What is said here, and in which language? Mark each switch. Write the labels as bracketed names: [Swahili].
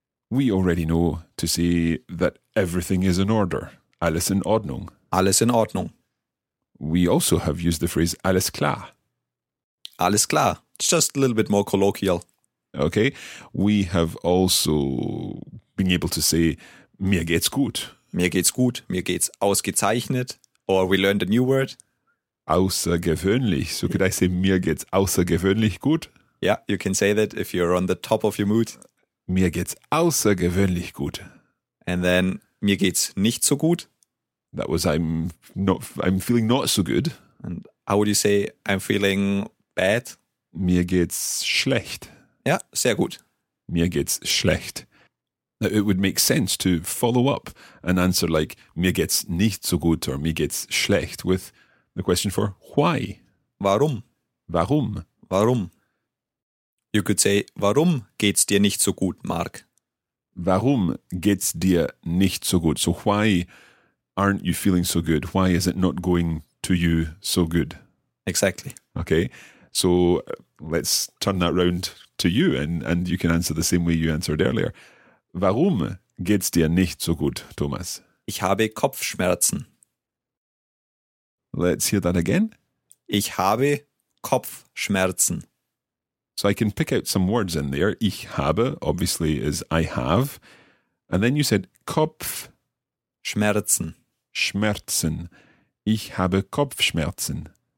[English] We already know to say that everything is in order. [German] Alles in Ordnung. Alles in Ordnung. [English] We also have used the phrase [German] alles klar. Alles klar. [English] It's just a little bit more colloquial. Okay. We have also been able to say [German] mir geht's gut. Mir geht's gut. Mir geht's ausgezeichnet. [English] Or we learned a new word. [German] Außergewöhnlich. [English] So could I say [German] mir geht's außergewöhnlich gut? [English] Yeah, you can say that if you're on the top of your mood. Mir geht's außergewöhnlich gut. And then [German] mir geht's nicht so gut. [English] That was I'm feeling not so good. And how would you say I'm feeling bad? [German] Mir geht's schlecht. Ja, sehr gut. Mir geht's schlecht. [English] Now it would make sense to follow up an answer like [German] mir geht's nicht so gut [English] or [German] mir geht's schlecht [English] with the question for why? [German] Warum? Warum? Warum? [English] You could say [German] warum geht's dir nicht so gut, Mark? Warum geht's dir nicht so gut? [English] So why aren't you feeling so good? Why is it not going to you so good? Exactly. Okay, so let's turn that round to you and you can answer the same way you answered earlier. [German] Warum geht's dir nicht so gut, Thomas? Ich habe Kopfschmerzen. [English] Let's hear that again. [German] Ich habe Kopfschmerzen. [English] So I can pick out some words in there. [German] Ich habe, [English] obviously, is I have. And then you said Kopfschmerzen. Schmerzen. [German] Ich habe Kopfschmerzen.